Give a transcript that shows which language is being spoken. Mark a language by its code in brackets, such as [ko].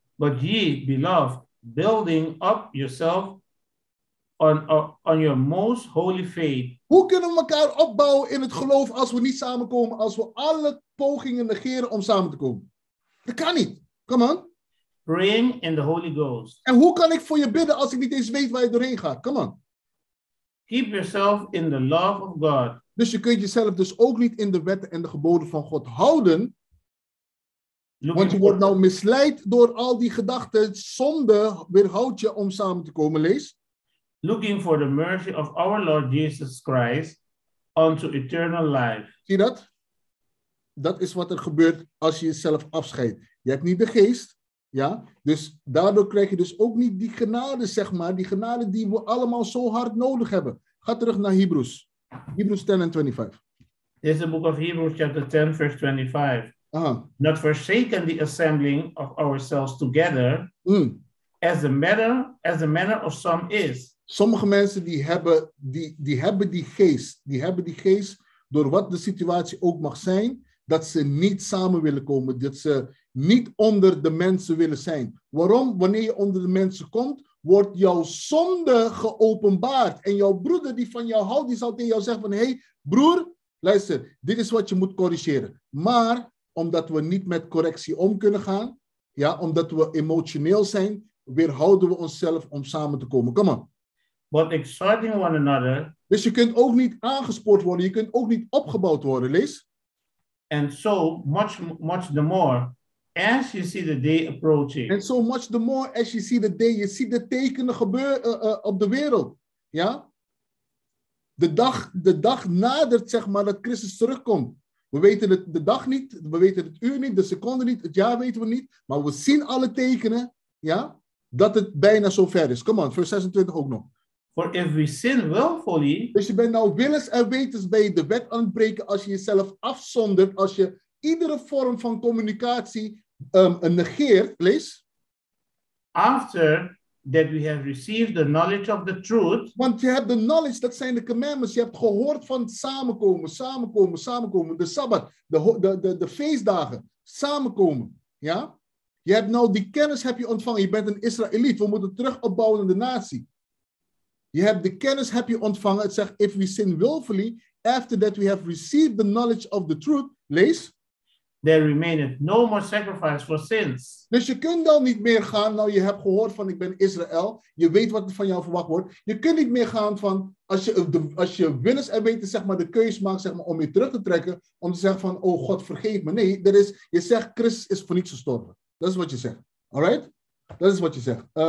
[en] But ye, beloved, building up yourself on your most holy faith. [nl] Hoe kunnen we elkaar opbouwen in het geloof als we niet samenkomen, als we alle pogingen negeren om samen te komen? Dat kan niet. [en] Come on. Praying in the Holy Ghost. [nl] En hoe kan ik voor je bidden als ik niet eens weet waar je doorheen gaat? [en] Come on. Keep yourself in the love of God. [nl] Dus je kunt jezelf dus ook niet in de wetten en de geboden van God houden. Want je wordt nou misleid door al die gedachten. Zonde weerhoudt je om samen te komen. Lees. [en] Looking for the mercy of our Lord Jesus Christ unto eternal life. [nl] Zie dat? Dat is wat er gebeurt als je jezelf afscheidt. Je hebt niet de geest. Ja? Dus daardoor krijg je dus ook niet die genade, zeg maar. Die genade die we allemaal zo hard nodig hebben. Ga terug naar Hebreeuws. Hebreeuws 10 en 25. Dit is het boek van Hebreeuws, chapter 10, vers 25. [en] Not forsaken the assembling of ourselves together, as the manner of some is. [nl] Sommige mensen die hebben die geest, door wat de situatie ook mag zijn, dat ze niet samen willen komen, dat ze niet onder de mensen willen zijn. Waarom? Wanneer je onder de mensen komt, wordt jouw zonde geopenbaard. En jouw broeder die van jou houdt, die zal tegen jou zeggen van, hey, broer, luister, dit is wat je moet corrigeren. Maar omdat we niet met correctie om kunnen gaan, ja, omdat we emotioneel zijn, weerhouden we onszelf om samen te komen. [en] Come on. But exciting one another. [nl] Dus je kunt ook niet aangespoord worden, je kunt ook niet opgebouwd worden, lees. [en] And so much, much the more, as you see the day approaching. And so much the more, as you see the day, [nl] je ziet de tekenen gebeuren op de wereld, ja. De dag nadert, zeg maar, dat Christus terugkomt. We weten het de dag niet, we weten het uur niet, de seconde niet, het jaar weten we niet. Maar we zien alle tekenen, ja, dat het bijna zover is. [en] Come on, [nl] vers 26 ook nog. [en] For if we sin willfully. [nl] Dus je bent nou willens en wetens bij de wet aan het breken als je jezelf afzondert. Als je iedere vorm van communicatie negeert, lees. [en] After that we have received the knowledge of the truth. [nl] Want je hebt de knowledge, dat zijn de commandments. Je hebt gehoord van samenkomen. De Sabbat, de feestdagen, samenkomen. Ja? Je hebt nou die kennis heb je ontvangen. Je bent een Israëliet, we moeten terug opbouwen in de natie. Je hebt de kennis heb je ontvangen. Het zegt, [en] if we sin willfully, after that we have received the knowledge of the truth. [nl] Lees. [en] There remaineth no more sacrifice for sins. [nl] Dus je kunt dan niet meer gaan. Nou, je hebt gehoord van ik ben Israël. Je weet wat er van jou verwacht wordt. Je kunt niet meer gaan van als je willens en weten, zeg maar, de keuze maakt, zeg maar, om je terug te trekken. Om te zeggen van, oh God, vergeef me. Nee, er is, je zegt, Christus is voor niets gestorven. Dat is wat je zegt. [en] Alright? [nl] Dat is wat je zegt.